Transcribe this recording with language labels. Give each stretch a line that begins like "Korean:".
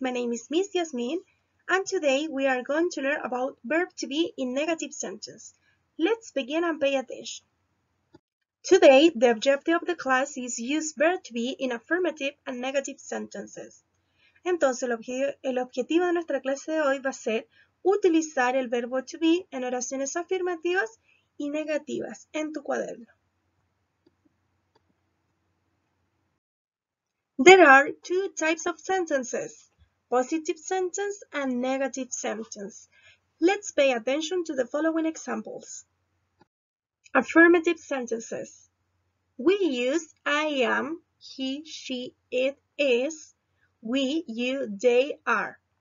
English: My name is Miss Yasmin, and today we are going to learn about verb to be in negative sentence. Let's begin and pay attention. Today, the objective of the class is use verb to be in affirmative and negative sentences.
Spanish: Entonces, el objetivo de nuestra clase de hoy va a ser utilizar el verbo to be en oraciones afirmativas y negativas en tu cuaderno.
English: There are two types of sentences, positive sentence and negative sentence. Let's pay attention to the following examples. Affirmative sentences. We use I am, he, she, it, is, we, you, they, are.